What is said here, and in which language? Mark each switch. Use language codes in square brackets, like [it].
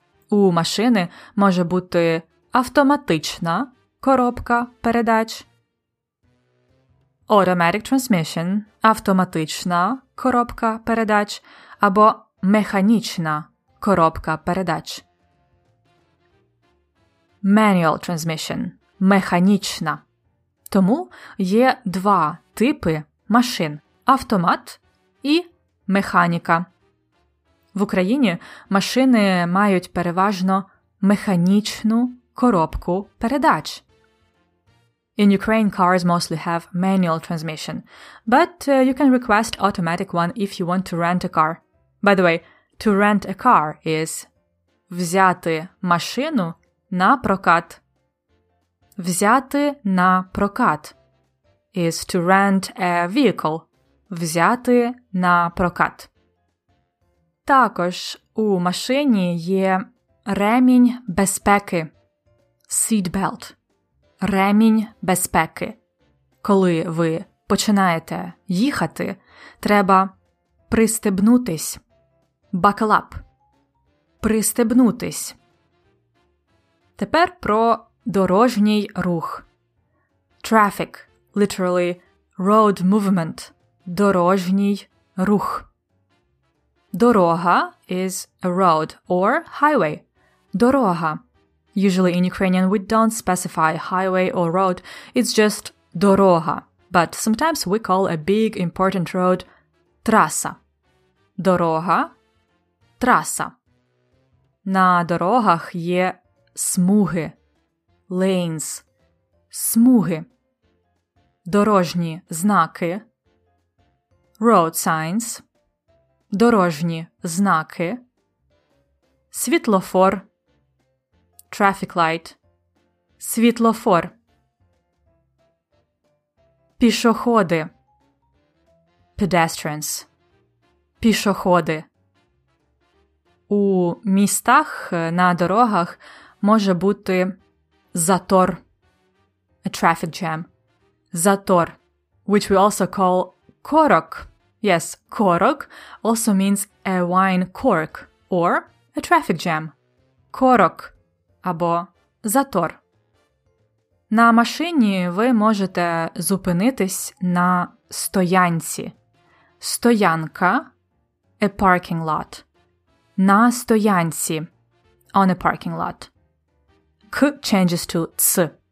[uk] У машини може бути автоматична коробка передач. [en] Automatic transmission, [uk] автоматична коробка передач або механічна коробка передач. [en] Manual transmission, механічна. [uk] Тому є два типи машин: автомат і механіка. В Україні машини мають переважно механічну коробку передач. [en] In Ukraine, cars mostly have manual transmission, but you can request automatic one if you want to rent a car. By the way, to rent a car is [uk] взяти машину на прокат. Взяти на прокат [en] is to rent a vehicle. [uk] Взяти на прокат. Також у машині є ремінь безпеки. [en] Seat belt. [uk] Ремінь безпеки. Коли ви починаєте їхати, треба пристебнутись. [en] Buckle up. [uk] Пристебнутись. Тепер про дорожній рух. [en] Traffic, literally road movement. [uk] Дорожній рух. [en] Дорога is a road or highway. [uk] Дорога. [en] Usually in Ukrainian we don't specify highway or road, it's just дорога. But sometimes we call a big important road траса. [uk] Дорога, траса. На дорогах є смуги, lanes, смуги. Дорожні знаки, [en] road signs, [uk] дорожні знаки, світлофор. [en] Traffic light. Світлофор. [uk] Пішоходи. Pedestrians. Пішоходи. У містах на дорогах може бути затор. [en] A traffic jam. Затор. Which we also call корок. Yes, корок also means a wine cork or a traffic jam. [uk] Корок. Або затор. На машині ви можете зупинитись на стоянці. [en] Стоянка. A parking lot. [uk] На стоянці. [en] On a parking lot. К changes to ц.